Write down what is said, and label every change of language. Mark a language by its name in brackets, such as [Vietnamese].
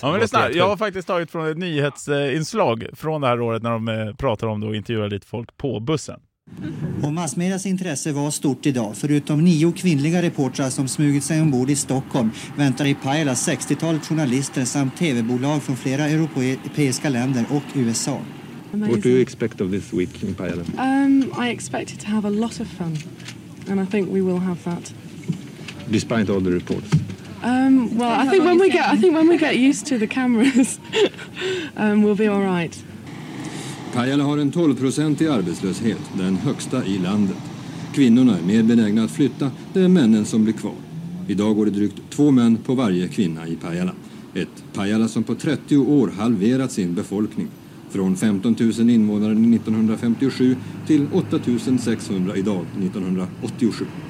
[Swedish] Ja, men lyssna, jag har faktiskt tagit från ett nyhetsinslag från det här året när de pratar om det och intervjuar lite folk på bussen. Och massmedias intresse var stort idag. Förutom 9 kvinnliga reportrar som smugit sig ombord i Stockholm väntar i Pajala 60-talet journalister samt tv-bolag från flera europeiska länder och USA. [English] What do you expect of this week in Pajala? I expect to have a lot of fun, and I think we will have that. Despite all the reports. Well, I think when we get used to the cameras, we'll be all right. [Swedish] Pajala har en 12-procentig arbetslöshet, den högsta i landet. Kvinnorna är mer benägna att flytta, det är männen som blir kvar. Idag går det drygt 2 män på varje kvinna i Pajala. Ett Pajala som på 30 år halverat sin befolkning. Från 15 000 invånare 1957 till 8 600 idag 1987.